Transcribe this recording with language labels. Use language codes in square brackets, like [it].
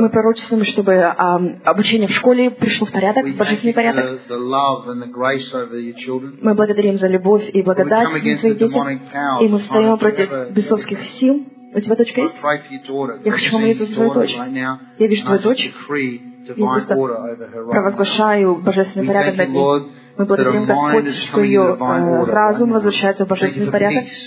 [ru] Мы пророчествуем, чтобы обучение в школе пришло в порядок, в божественный порядок. [en] The love and the grace over your children. [ru] Мы благодарим за любовь и благодать над своими детьми. И мы встаем против бесовских сил. У тебя дочка есть? Я хочу помолиться за твою дочь. Я вижу твою дочь. Я просто провозглашаю божественный порядок над ней. Мы благодарим Господь, что ее разум возвращается в божественный порядок.